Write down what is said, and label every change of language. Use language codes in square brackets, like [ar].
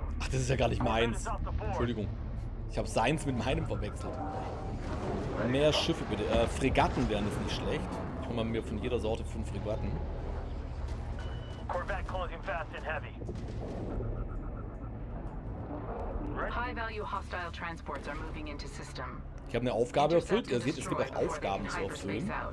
[de] das ist ja gar nicht meins. Entschuldigung. Ich habe seins mit meinem verwechselt. Mehr Schiffe bitte. Fregatten wären jetzt nicht schlecht. Ich hole mal mir von jeder Sorte 5 Fregatten. [en] Corvette closing fast and heavy. High-value hostile transports are moving into system. [de] Ich habe eine Aufgabe erfüllt. Ihr seht, es gibt auch Aufgaben zu erfüllen.